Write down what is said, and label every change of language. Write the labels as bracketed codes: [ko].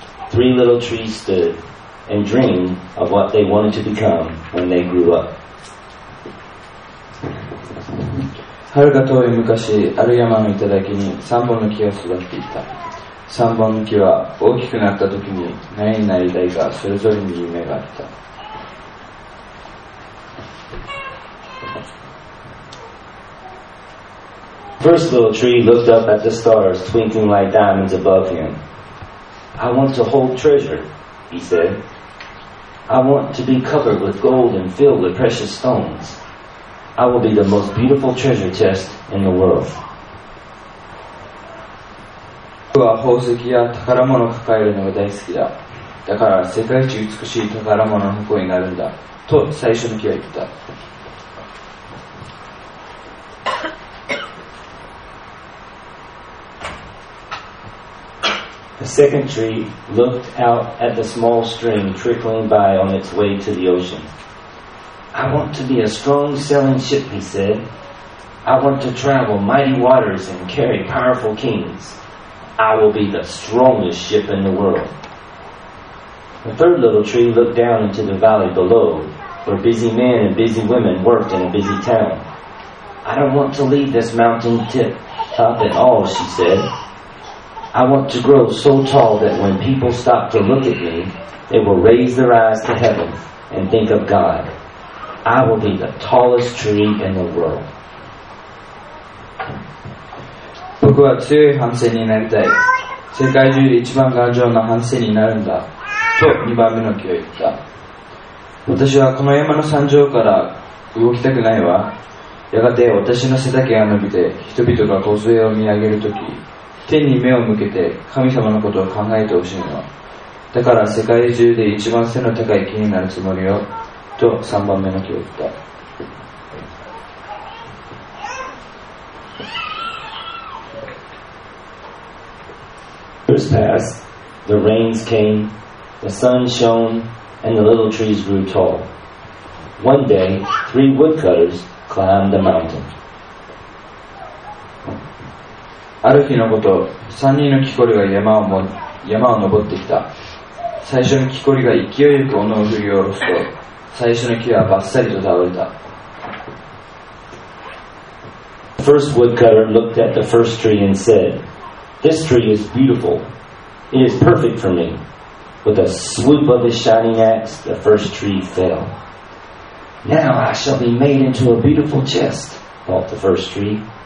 [en] Three little trees stood and dreamed of what they wanted to become when they grew up. [ja] 遥か遠い昔、ある山の頂に三本の木が育っていた。三本の木は大きくなった時に何になりたいかそれぞれに夢があった。 [en] First little tree looked up at the stars twinkling like diamonds above him. I want to hold treasure, he said. I want to be covered with gold and filled with precious stones. I will be the most beautiful treasure chest in the world. [ja] 僕は宝石や宝物を抱えるのが大好きだ。だから世界一美しい宝物の箱になるんだ。と最初の木は言った。 [en] The second tree looked out at the small stream trickling by on its way to the ocean. I want to be a strong sailing ship, he said. I want to travel mighty waters and carry powerful kings. I will be the strongest ship in the world. The third little tree looked down into the valley below, where busy men and busy women worked in a busy town. I don't want to leave this mountain tip top at all, she said. I want to grow so tall that when people stop to look at me, they will raise their eyes to heaven and think of God. I will be the tallest tree in the world. [ja] 僕は強い帆船になりたい。世界中で一番頑丈な帆船になるんだ。と二番目の木を言った。私はこの山の山上から動きたくないわ。やがて私の背丈が伸びて、人々が小杖を見上げるとき、天に目を向けて神様のことを考えてほしいの。だから世界中で一番背の高い木になるつもりよ。と3番目の木を言った。 [en] Years passed, the rains came, the sun shone, and the little trees grew tall. One day, three woodcutters climbed a mountain. [ja] ある日のこと、三人の木こりが山を登ってきた。最初の木こりが勢いよく斧を振り下ろすと、最初の木はバッサリと倒れた。 [en] The first woodcutter looked at the first tree and said, This tree is beautiful. It is perfect for me. With a swoop of his shining axe, the first tree fell. Now I shall be made into a beautiful chest, thought the first tree.